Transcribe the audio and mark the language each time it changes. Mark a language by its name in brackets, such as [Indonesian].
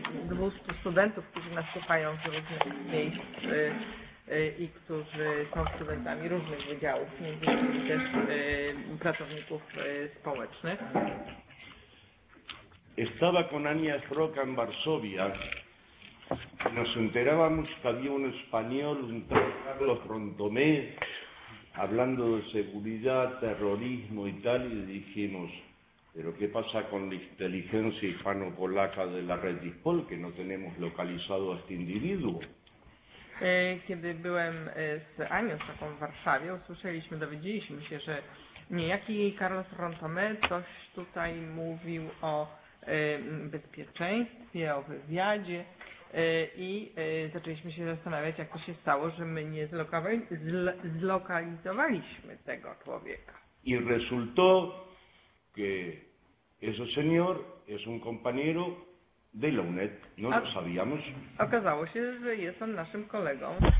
[Polish] Dwóch studentów, którzy nas słuchają z różnych miejsc i którzy są studentami różnych wydziałów, między innymi też pracowników społecznych. [Spanish] Estaba con Ania Froca en Varsovia. Nos enterábamos que había un español, un Carlos Rondomé, hablando de seguridad, terrorismo y tal, y dijimos: ¿pero qué pasa con la inteligencia hispano-polaca de la red Dispol, que no tenemos localizado a este individuo? [Polish] Kiedy byłem z Anią taką w Warszawie, usłyszeliśmy, dowiedzieliśmy się, że niejaki Carlos Rontomé coś tutaj mówił o bezpieczeństwie, o wywiadzie i zaczęliśmy się zastanawiać, jak to się stało, że my nie zlokalizowaliśmy tego człowieka. [Spanish] I resultó que ese señor es un compañero de la UNED, no lo sabíamos. [Polish] Okazało się, że jest on naszym kolegą.